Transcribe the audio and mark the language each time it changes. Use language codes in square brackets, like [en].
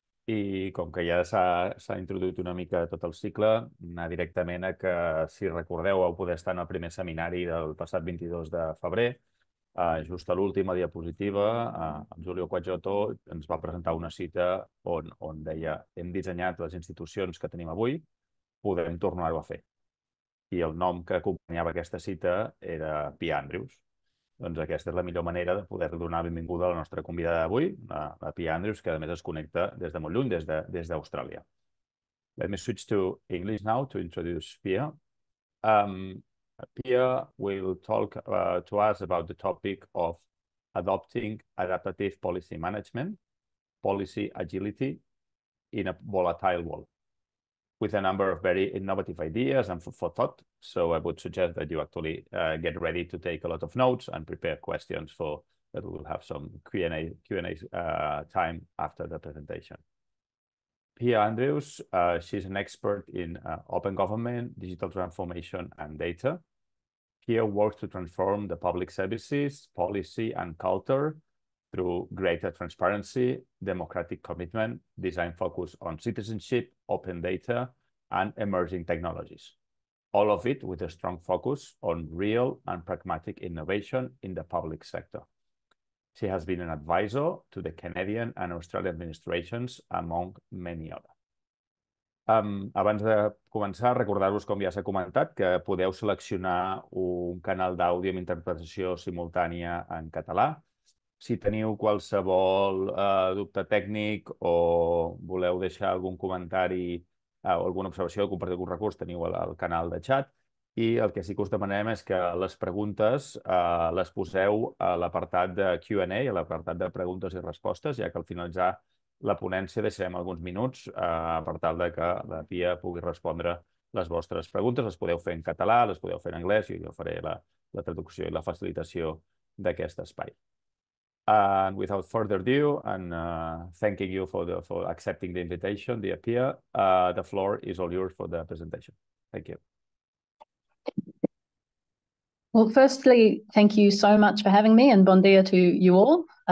[ca] I com que ja s'ha introduït una mica tot el cicle, anar directament a que, si recordeu, vau poder estar en el primer seminari del passat 22 de febrer, just a l'última diapositiva, en Julio Quagiotto ens va presentar una cita on deia: hem dissenyat les institucions que tenim avui, podem tornar-ho a fer. I el nom que acompanyava aquesta cita era Pia Andrews. Doncs aquesta és la millor manera de poder donar benvinguda a la nostra convidada d'avui, la Pia Andrews, que a més es connecta des de molt lluny, des d'Austràlia. [en] Let me switch to English now to introduce Pia. Pia will talk to us about the topic of adopting adaptive policy management, policy agility in a volatile world, with a number of very innovative ideas and for thought. So I would suggest that you actually get ready to take a lot of notes and prepare questions for that. We'll have some Q&A time after the presentation. Pia Andrews, she's an expert in open government, digital transformation, and data. Pia works to transform the public services, policy, and culture through greater transparency, democratic commitment, design focus on citizenship, open data, and emerging technologies. All of it with a strong focus on real and pragmatic innovation in the public sector. She has been an advisor to the Canadian and Australian administrations, among many others. [ca] Abans de començar, recordar-vos, com ja s'ha comentat, que podeu seleccionar un canal d'àudio amb interpretació simultània en català. Si teniu qualsevol dubte tècnic o voleu deixar algun comentari o alguna observació, compartir algun recurs, teniu el canal de chat. I el que sí que us demanem és que les preguntes les poseu a l'apartat de Q&A, a l'apartat de preguntes i respostes, ja que al finalitzar la ponència deixarem alguns minuts per tal de que la Pia pugui respondre les vostres preguntes. Les podeu fer en català, les podeu fer en anglès, jo faré la traducció i la facilitació d'aquest espai. [en] And without further ado, and thanking you for accepting the invitation, dear Pia, the floor is all yours for the presentation. Thank you. Well, firstly, thank you so much for having me, and bon dia to you all.